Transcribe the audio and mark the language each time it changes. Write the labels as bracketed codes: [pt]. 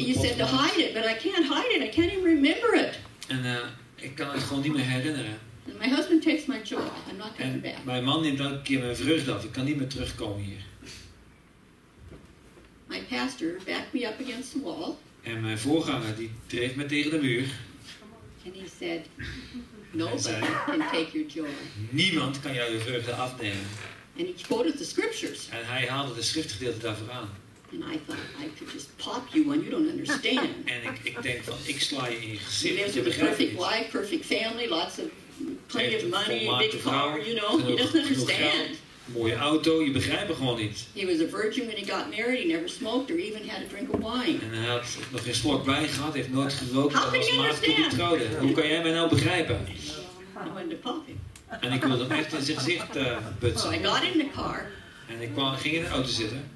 [en] You said to hide it, but I can't hide it. I can't even remember it. [nl] En ik kan het gewoon niet meer herinneren. [en] My husband takes my joy. I'm not coming back. [nl] Mijn man neemt elke keer mijn vreugde af. Ik kan niet meer terugkomen hier. [en] My pastor backed me up against the wall. [nl] En mijn voorganger die dreef me tegen de muur. [en] And he said, nobody can take your joy. [nl] Niemand kan jou je vreugde afnemen. [en] And he quoted the scriptures. [nl] En hij haalde de schriftgedeelte daarvoor aan. [en] And I thought I could just pop you when you don't understand. [nl] En ik denk van ik sla je in je gezicht. [en] He lives with a perfect wife, perfect family, lots of plenty of money, a big car, you know. He doesn't understand. [nl] Mooie auto, je begrijpt gewoon niet. [en] He was a virgin when he got married. He never smoked or even had a drink of wine. [nl] En hij had nog geen slok wijn gehad, heeft nooit gerookt. Hij was maar toen hij trouwde. Hoe kan jij mij nou begrijpen? [en] I went to pop him. [nl] En ik wilde hem echt in zijn gezicht butsen. [en] So I got in the car. [nl] En ik ging in de auto zitten.